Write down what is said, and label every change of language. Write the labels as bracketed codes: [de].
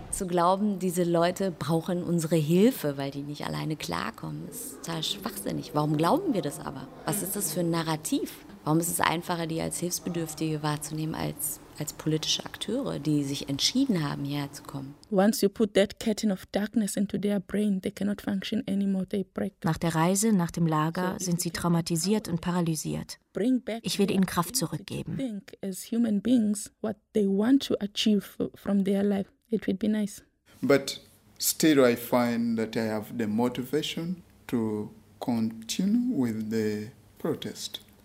[de] Zu glauben, diese Leute brauchen unsere Hilfe, weil die nicht alleine klarkommen, ist total schwachsinnig. Warum glauben wir das aber? Was ist das für ein Narrativ? Warum ist es einfacher, die als Hilfsbedürftige wahrzunehmen, als politische Akteure, die sich entschieden haben, hierher zu kommen? [en] Once you put that curtain of darkness into their brain, they cannot function anymore. They break. [de] Nach der Reise, nach dem Lager, sind sie traumatisiert und paralysiert. Ich werde ihnen Kraft zurückgeben. [en] Think as human beings, what they want to achieve from their life, it would be nice. But still, I find that I have the motivation to continue with the protest.